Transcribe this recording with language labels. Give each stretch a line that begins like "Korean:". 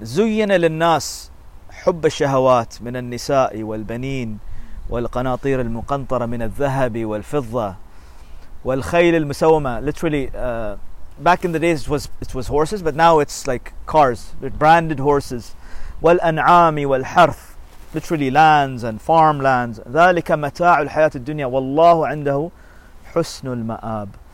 Arabic: زين للناس حب الشهوات من النساء والبنين والقناطير المقنطرة من الذهب والفضة والخيل المسومة.
English: Literally, back in the days it was horses, but now it's like cars, branded horses.
Arabic: والأنعام والحرث.
English: Literally lands and farmlands.
Arabic: ذلك متاع الحياة الدنيا والله عنده حسن المآب.